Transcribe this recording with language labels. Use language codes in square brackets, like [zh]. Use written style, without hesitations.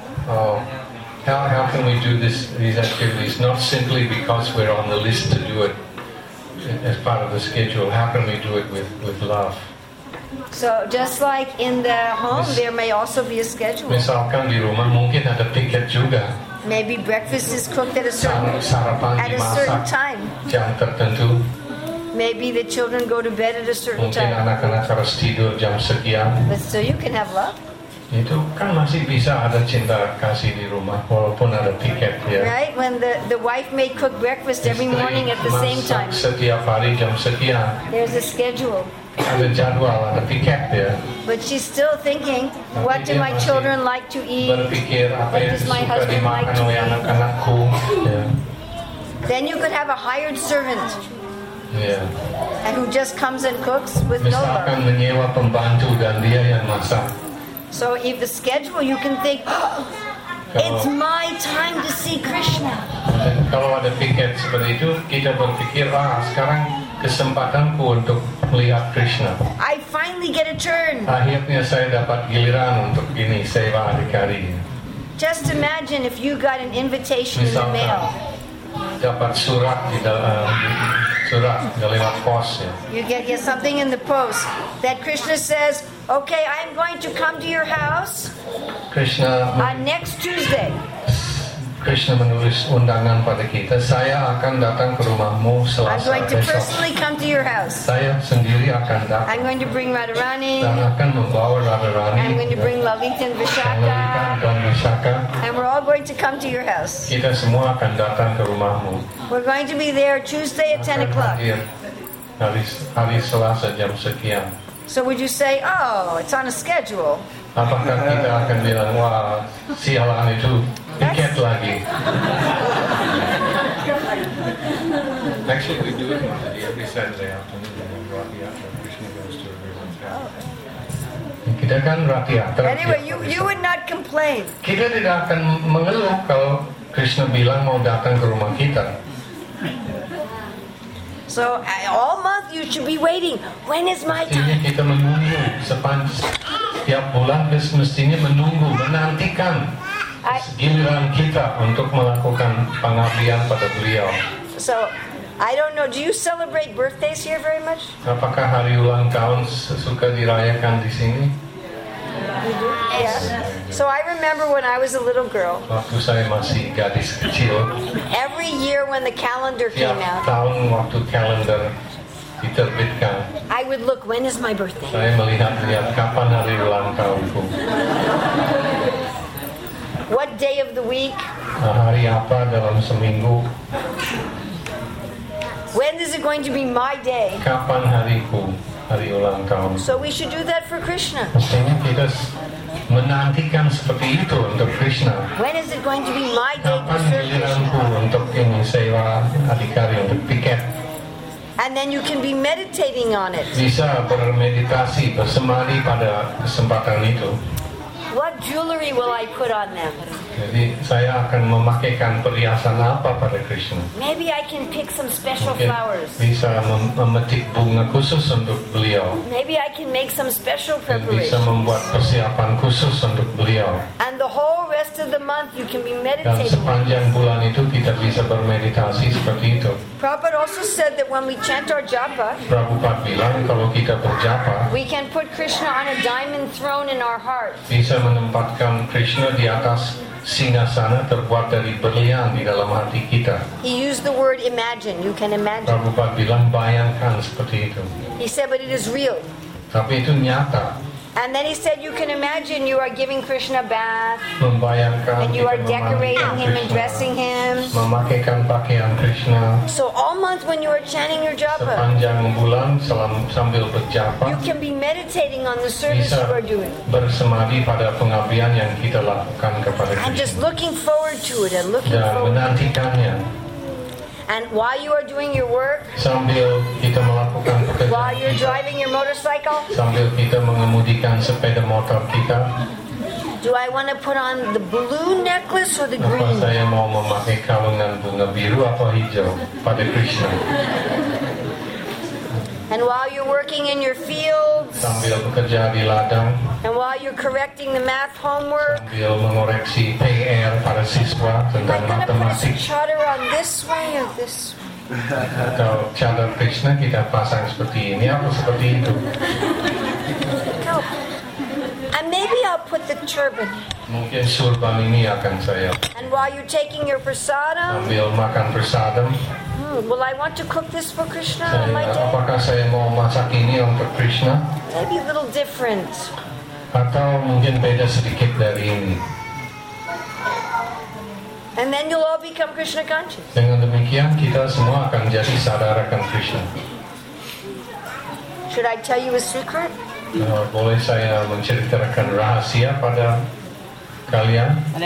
[en] Oh, how can we do these activities? Not simply because we're on the list to do it as part of the schedule. How can we do it with love? So just like in the home, there may also be a schedule. [id] Misalkan di rumah mungkin ada piket juga. [en] Maybe breakfast is cooked at a certain time. [id] Jam tertentu. [en] Maybe the children go to bed at a certain [id] mungkin Mungkin anak-anak harus tidur jam sekian. [en] But still, you can have love. [id] Itu kan masih bisa ada cinta kasih di rumah walaupun ada piket ya. [en] Right, when the wife may cook breakfast every morning at the same time. [id] Setiap hari jam sekian. [en] There's a schedule. [id] Ada jadwal, ada piket ya. [en] But she's still thinking, what do my children like to eat? [id] Berpikir apa yang [en] does my husband like to eat? [id] Anak-anakku. [en] Then you could have a hired servant. Yeah. And who just comes and cooks with no work. [id] Misalkan menyewa pembantu dan dia yang masak. [en] So if the schedule, you can think, it's my time to see Krishna. [id] Kalau ada piket seperti itu, kita berpikir, sekarang kesempatanku untuk melihat Krishna. [en] I finally get a turn. [id] Akhirnya saya dapat giliran untuk ini, seva adhikari. [en] Just imagine if you got an invitation in the mail. [id] Dapat surat di dalam surat lewat pos ya. [en] You get something in the post that Krishna says, okay, I'm going to come to your house Krishna, on next Tuesday. [id] Krishna menulis undangan pada kita, saya akan datang ke rumahmu Selasa besok. [en] I'm going to personally come to your house. [id] Saya sendiri akan datang. [en] I'm going to bring Radharani. [id] Dan akan membawa Radharani. [en] I'm going to bring Lalita and Vishaka. [id] Dan Vishaka. [en] And we're all going to come to your house. [id] Kita semua akan datang ke rumahmu. [en] We're going to be there Tuesday at 10 o'clock. [id] Hari Selasa jam sekian. [en] So would you say, it's on a schedule? [id] Apakah kita akan bilang, sialan itu, piket lagi. [en] Actually, we do it on every Saturday afternoon. Ratiyatra, Krishna goes to everyone's house. [id] Kita kan ratiyatra. [en] Anyway, you would not complain. [id] Kita tidak akan mengeluh kalau Krishna bilang mau datang ke rumah kita. [en] So all month you should be waiting. When is my time? [id] Mestinya kita menunggu setiap bulan. Mestinya menunggu, menantikan giliran kita untuk melakukan pengabdian pada beliau. [en] So I don't know. Do you celebrate birthdays here very much? [id] Apakah hari ulang tahun suka dirayakan di sini? [en] Yes. So I remember when I was a little girl. [id] Waktu saya masih gadis kecil. [en] Every year when the calendar came out. [id] Setiap tahun waktu kalender diterbitkan. [en] I would look, when is my birthday? [id] Saya melihat kapan hari ulang tahunku. [en] What day of the week? [id] Hari apa dalam seminggu? [en] When is it going to be my day? [id] Kapan hariku? Hari ulang tahun. [en] So we should do that for Krishna. [id] Mestinya kita menantikan seperti itu untuk Krishna. [en] When is it going to be my day? [id] Kapan giliranku untuk ini seva adhikari untuk piket? [en] And then you can be meditating on it. [id] Bisa bermeditasi bersemadi pada kesempatan itu. [en] What jewelry will I put on them? [id] Jadi saya akan memakaikan perhiasan apa pada Krishna? [en] Maybe I can pick some special flowers. [id] Bisa memetik bunga khusus untuk beliau. [en] Maybe I can make some special preparations. [id] Bisa membuat persiapan khusus untuk beliau. [en] And the whole rest of the month you can be meditating. [id] Dan sepanjang bulan itu kita bisa bermeditasi seperti itu. [en] Prabhupada also said that when we chant our japa. [id] Prabhupada bilang kalau kita berjapa. [en] We can put Krishna on a diamond throne in our heart. [id] Bisa menempatkan Krishna di atas singgasana terbuat dari berlian di dalam hati kita. [en] He used the word imagine. You can imagine. [id] Prabhupada bilang bayangkan seperti itu. [en] He said, but it is real. [id] Tapi itu nyata. [en] And then he said, you can imagine you are giving Krishna a bath. [id] Membayangkan. [en] And you are decorating him and dressing him. [id] Memakaikan pakaian Krishna. [en] So all month when you are chanting your japa. [id] Sepanjang bulan sambil berjapa. [en] You can be meditating on the service you are doing. [id] Bersemadi pada pengabdian yang kita lakukan kepada Krishna. [en] And just looking forward to it and looking [id] dan [en] forward. [id] Dan menantikannya. [en] And while you are doing your work, [id] sambil kita melakukan pekerjaan, [en] while you're driving your motorcycle, [id] sambil kita mengemudikan sepeda motor kita, [en] do I want to put on the blue necklace or the green? [id] Apa saya mau memakai kalungan bunga biru atau hijau pada Krishna? [en] And while you're working in your fields, [id] sambil bekerja di ladang, [en] and while you're correcting the math homework, [id] sambil mengoreksi PR pada siswa tentang matematik, [en] I'm gonna put a chadar on this way or this way. [id] Atau chadar Krishna kita pasang seperti ini atau seperti itu. [en] No. And maybe I'll put the turban. [id] Mungkin surban ini akan saya. [en] And while you're taking your prasadam, [id] sambil makan prasadam. [en] Will I want to cook this for Krishna on my day? [id] Apakah saya mau masak ini untuk Krishna? [en] Maybe a little different. [id] Atau mungkin beda sedikit dari ini. [en] And then you'll all become Krishna conscious. [id] Dengan demikian kita semua akan jadi sadar akan Krishna. [en] Should I tell you a secret? [id] Boleh saya menceritakan rahasia pada kalian?